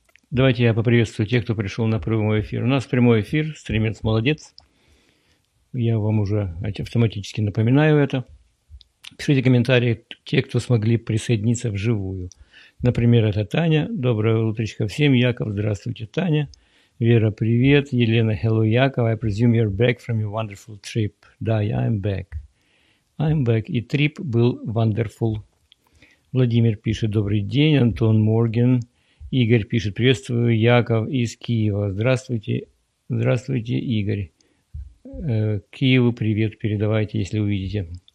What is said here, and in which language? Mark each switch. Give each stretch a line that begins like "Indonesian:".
Russian: Давайте я поприветствую тех, кто пришел на прямой эфир. У нас прямой эфир, стримец молодец. Я вам уже автоматически напоминаю это. Пишите комментарии те, кто смогли присоединиться вживую. Например, это Таня. Доброе утречко всем. Яков, здравствуйте, Таня. Вера, привет. Елена, hello, Яков.
English: I presume you're back from your wonderful trip. Да, I'm back. I'm back.
Russian: И trip был wonderful. Владимир пишет, добрый день. Антон Морген. Игорь пишет, приветствую, Яков из Киева. Здравствуйте, здравствуйте, Игорь. Киеву привет передавайте, если увидите.